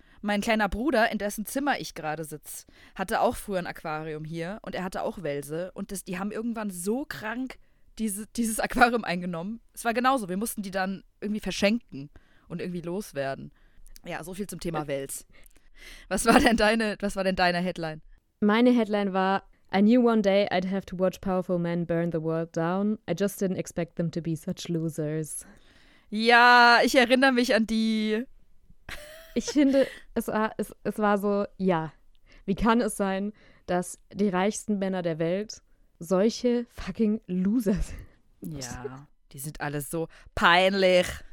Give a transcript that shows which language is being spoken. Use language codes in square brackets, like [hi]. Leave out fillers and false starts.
[de] Mein kleiner Bruder, in dessen Zimmer ich gerade sitze, hatte auch früher ein Aquarium hier und er hatte auch Welse und die haben irgendwann so krank dieses Aquarium eingenommen. Es war genauso, wir mussten die dann irgendwie verschenken und irgendwie loswerden. Ja, so viel zum Thema Wels. Was war denn deine Headline? Meine Headline war, [en] I knew one day I'd have to watch powerful men burn the world down. I just didn't expect them to be such losers. [de] Ja, ich erinnere mich an die. Ich finde, es war so, ja, wie kann es sein, dass die reichsten Männer der Welt solche fucking Loser sind? Ja, die sind alles so peinlich.